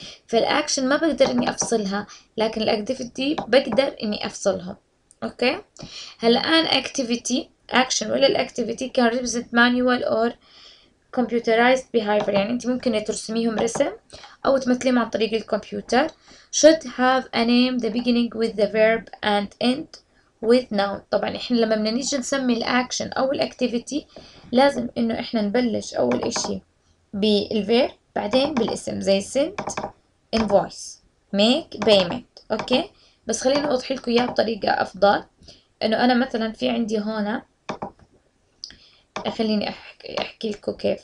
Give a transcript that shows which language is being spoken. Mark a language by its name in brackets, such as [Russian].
[Arabic] فالاكشن ما بقدر اني افصلها، لكن الاكتيفيتي بقدر اني افصلهم. اوكي هلا ان اكتيفيتي اكشن ولا الاكتيفيتي كان [English] represent manual or computerized behaviour, [Arabic] يعني انت ممكن ترسميهم رسم او تمثليهم عن طريق الكمبيوتر. [English] should have a name the beginning with the verb and end with noun. [Arabic] طبعا احنا لما بدنا نيجي نسمي الاكشن او الاكتيفيتي لازم انه احنا نبلش اول اشي بالverb بعدين بالاسم، زي [English] sent invoice make payment. [Arabic] اوكي بس خليني اوضح لكم اياها بطريقه افضل. انه انا مثلا في عندي هون، خليني احكي لكم كيف.